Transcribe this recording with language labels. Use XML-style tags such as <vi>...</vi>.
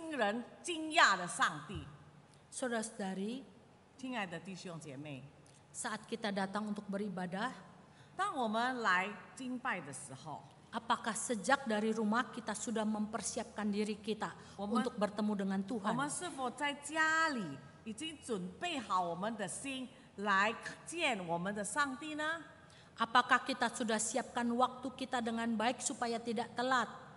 <zh>他就是一样的圣洁的上帝，伟大使人惊人惊讶的上帝。</zh> <id>Saudara-saudari,</id> <zh>亲爱的弟兄姐妹,</zh> <id>saat kita datang untuk beribadah,</id> <zh>当我们来敬拜的时候,</zh> <id>apakah sejak dari rumah kita sudah mempersiapkan diri kita</id> <zh>我们,</zh> <id>untuk bertemu dengan Tuhan?</id> <zh>我们是否在家里已经准备好我们的心来见我们的上帝呢?</zh> <id>Apakah kita sudah siapkan waktu kita dengan baik supaya tidak telat?</id>